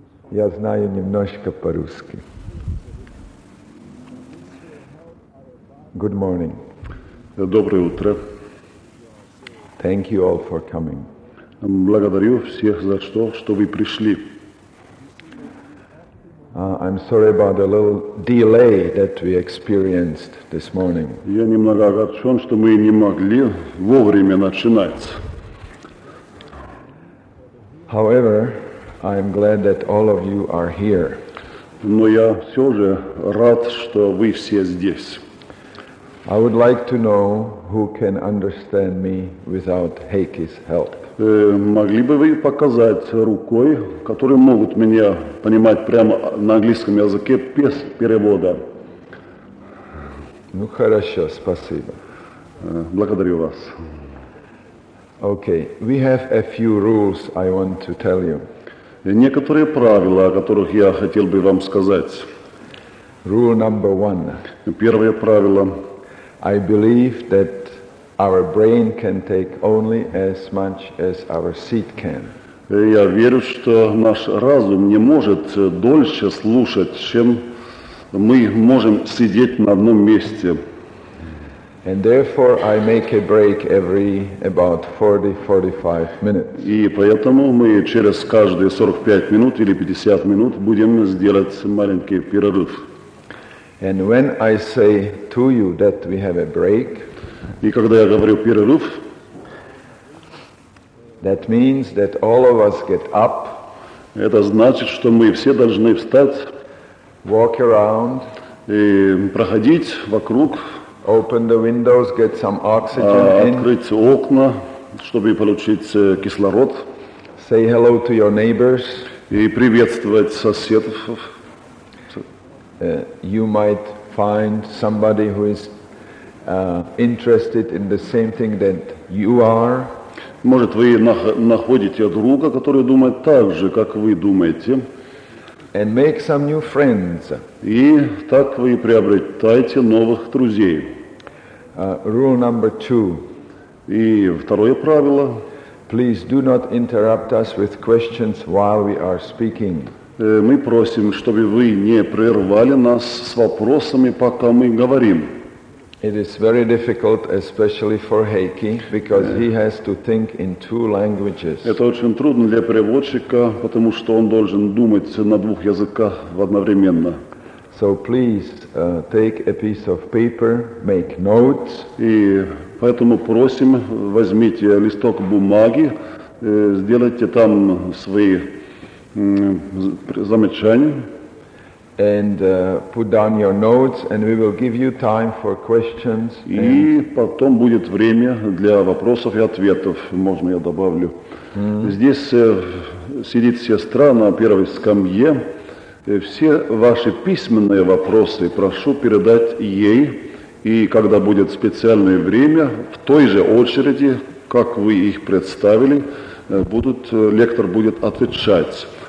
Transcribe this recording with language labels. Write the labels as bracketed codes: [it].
[ru] Я знаю немножко по-русски. [en] Good morning. [ru] Доброе утро. [en] Thank you all for coming. [ru] Благодарю всех за то, что вы пришли. [en] I'm sorry about a little delay that we experienced this morning. [ru] Я немного огорчен, что мы не могли вовремя начинать. [en] However, I'm glad that all of you are here. [ru] Но я все же рад, что вы все здесь. [en] I would like to know who can understand me without Heikki's help. [ru] Могли бы вы показать рукой, которые могут меня понимать прямо на английском языке без перевода? Ну хорошо, спасибо. Благодарю вас. [en] Okay, we have a few rules I want to tell you. [ru] Некоторые правила, о которых я хотел бы вам сказать. [en] Rule number one. [ru] Первое правило. [en] I believe that our brain can take only as much as our seat can. [ru] Я верю, что наш разум не может дольше слушать, чем мы можем сидеть на одном месте. [en] And therefore I make a break every about 40-45 minutes. [ru] И поэтому мы через каждые 45 минут или 50 минут будем сделать маленький перерыв. [en] And when I say to you that we have a break, [ru] и когда я говорю перерыв, [en] that means that all of us get up, [ru] это значит, что мы все должны встать, [en] walk around, [ru] и проходить вокруг, [en] open the windows, get some oxygen, [ru] открыть окна, чтобы получить кислород, [en] say hello to your neighbors, [ru] и приветствовать соседов. [en] You might find somebody who is interested in the same thing that you are. [ru] Может вы находите друга, который думает так же, как вы думаете. [en] And make some new friends. [ru] И так вы приобретаете новых друзей. [en] Rule number two. [ru] И второе правило. [en] Please do not interrupt us with questions while we are speaking. [ru] Мы просим, чтобы вы не прервали нас с вопросами, пока мы говорим. [en] It is very difficult, especially for Heikki, because he has to think in two languages. [ru] Это очень трудно для переводчика, потому что он должен думать на двух языках одновременно. [en] So please take a piece of paper, make notes. [ru] И поэтому просим, возьмите листок бумаги, сделайте там свои замечания. [en] And put down your notes, and we will give you time for questions. [ru] И потом будет время для вопросов и ответов. Можно я добавлю. Здесь сидит сестра на первой скамье. Все ваши письменные вопросы прошу передать ей, И когда будет специальное время, в той же очереди, как вы их представили, лектор будет отвечать.